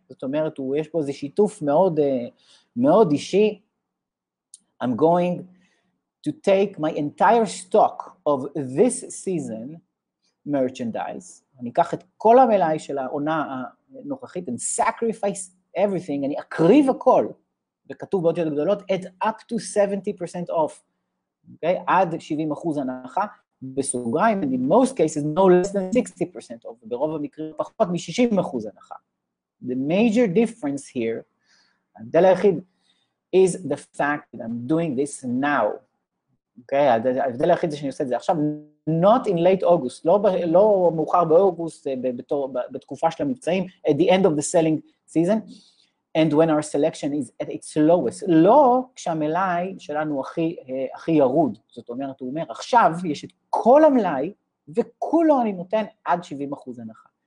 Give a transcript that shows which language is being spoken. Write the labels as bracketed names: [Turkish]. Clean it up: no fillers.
[Hebrew] זאת אומרת, יש פה איזה שיתוף מאוד, מאוד אישי, [English] I'm going to take my entire stock of this season merchandise, [Hebrew] אני אקח את כל המלאי של העונה הנוכחית, [English] and sacrifice everything, [Hebrew] אני אקריב הכל, וכתוב באותיות גדולות, [English] at up to 70% off, okay, [Hebrew] עד 70% הנחה, בסוגריים, [English] and in most cases, no less than 60% off, [Hebrew] ברוב המקרים פחות מ-60% הנחה. [English] The major difference here, [Hebrew] הדל היחיד, [English] is the fact that I'm doing this now. [Hebrew] Okay, הדל היחיד זה שאני עושה את זה עכשיו, [English] not in late August, [Hebrew] לא מאוחר באוגוסט, בתקופה של המבצעים, [English] at the end of the selling season, and when our selection is at its lowest, [Hebrew] לא כשהמלאי שלנו הכי ירוד, זאת אומרת, הוא אומר, עכשיו יש את כל המלאי, וכולו אני נותן עד 70% הנחה.